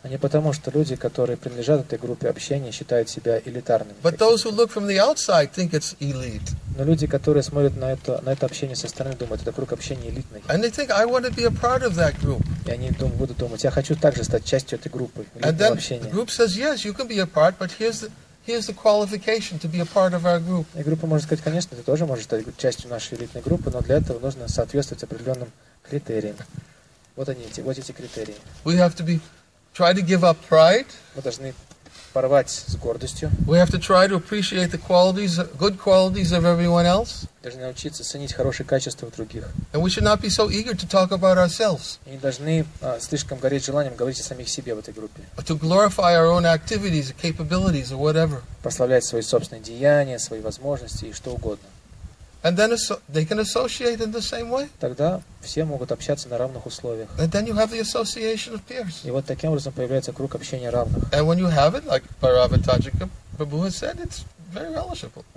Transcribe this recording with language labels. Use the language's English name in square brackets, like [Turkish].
[Russian] А не потому что люди, которые принадлежат этой группе общения, считают себя элитарными. [English] But those who look from the outside think it's elite. [Russian] Но люди, которые смотрят на это общение со стороны, думают, это круг общения элитный. [English] And they think I want to be a part of that group. [Russian] И они будут думать, я хочу также стать частью этой группы элитного общения. [English] The group says yes, you can be a part, but here's the qualification to be a part of our group. [Russian] И группа может сказать, конечно, ты тоже можешь стать частью нашей элитной группы, но для этого нужно соответствовать определенным критериям. Вот они, эти критерии. [English] We have to try to give up pride. [Russian] Мы должны порвать с гордостью. [English] We have to try to appreciate the qualities, good qualities of everyone else. [Russian] Должны научиться ценить хорошие качества других. [English] And we should not be so eager to talk about ourselves. [Russian] И не должны слишком гореть желанием говорить о самих себе в этой группе. [English] But to glorify our own activities, capabilities, or whatever. [Russian] Прославлять свои собственные деяния, свои возможности и что угодно. [English] And then they can associate in the same way. [Russian] Тогда все могут общаться на равных условиях. [English] And then you have the association of peers. [Russian] И вот таким образом появляется круг общения равных. [English] And when you have it, like Bhairavatajika Prabhu has said, it's very relishable.